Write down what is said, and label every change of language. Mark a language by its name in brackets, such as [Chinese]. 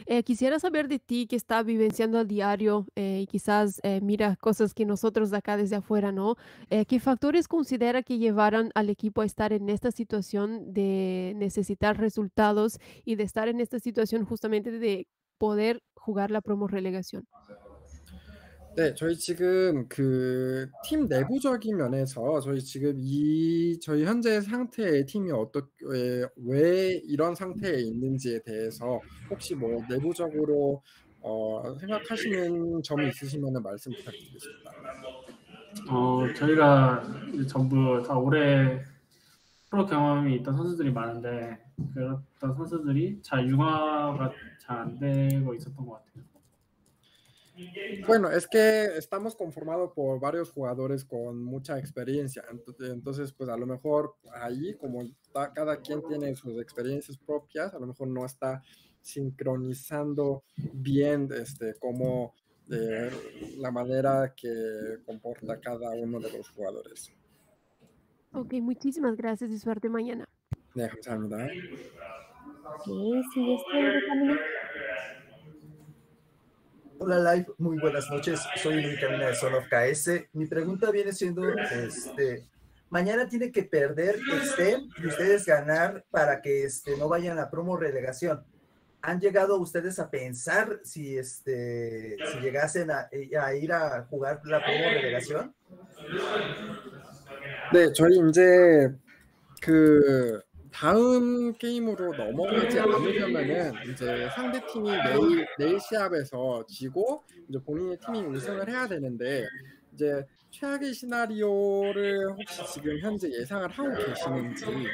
[Spanish] Quisiera saber de ti, que estás vivenciando al diario y quizás miras cosas que nosotros de acá desde afuera no. ¿Qué factores considera que llevaron al equipo a estar en esta situación de necesitar resultados y de estar en esta situación justamente de poder jugar la promorrelegación? [Korean] 네, 저희 지금 그팀 내부적인 면에서 저희 지금 이 저희 현재 상태의 팀이 어떻게 왜 이런 상태에 있는지에 대해서 혹시 뭐 내부적으로 생각하시는 점이 있으시면 말씀 부탁드리겠습니다. 저희가 전부 다 올해 프로 경험이 있던 선수들이 많은데, 그런 선수들이 잘 융화가 잘안 되고 있었던 것 같아요. [Spanish] Bueno, es que estamos conformados por varios jugadores con mucha experiencia. Entonces, pues a lo mejor ahí, como está, cada quien tiene sus experiencias propias, a lo mejor no está sincronizando bien como la manera que comporta cada uno de los jugadores. Ok, muchísimas gracias y suerte mañana. Déjame saludar. Sí, estoy también. Hola Live, muy buenas noches. Soy Luis Camina de Son of KS. Mi pregunta viene siendo, mañana tiene que perder STEM y ustedes ganar para que no vayan a promo relegación. ¿Han llegado ustedes a pensar si si llegasen a ir a jugar la promo relegación? [Korean] 네, 저희 이제 그 다음 게임으로 넘어가지 않으려면은 이제 상대 팀이 내일 시합에서 지고 이제 본인의 팀이 우승을 해야 되는데 이제 최악의 시나리오를 혹시 지금 현재 예상을 하고 계시는지.